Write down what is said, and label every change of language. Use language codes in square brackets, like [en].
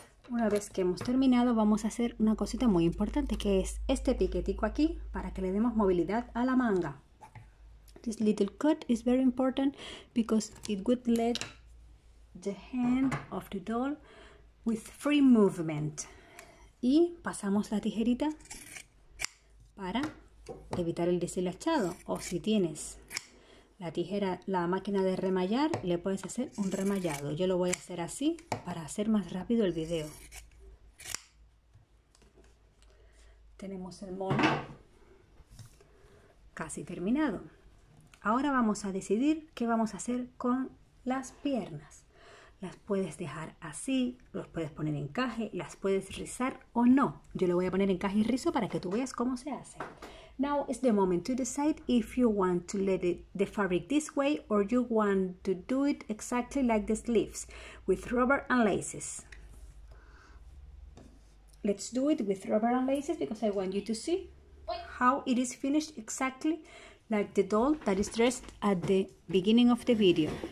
[es] Una vez que hemos terminado, vamos a hacer una cosita muy importante, que es este piquetico aquí para que le demos movilidad a la manga. [en] This little cut is very important because it would let the hand of the doll with free movement. [es] Y pasamos la tijerita para evitar el deshilachado. O si tienes la tijera, la máquina de remallar, le puedes hacer un remallado. Yo lo voy a hacer así para hacer más rápido el video. Tenemos el mono casi terminado. Ahora vamos a decidir qué vamos a hacer con las piernas. Las puedes dejar así, los puedes poner encaje, las puedes rizar o no. Yo le voy a poner encaje y rizo para que tú veas cómo se hace. [en] Now is the moment to decide if you want to let the fabric this way or you want to do it exactly like the sleeves, with rubber and laces. Let's do it with rubber and laces because I want you to see how it is finished exactly like the doll that is dressed at the beginning of the video.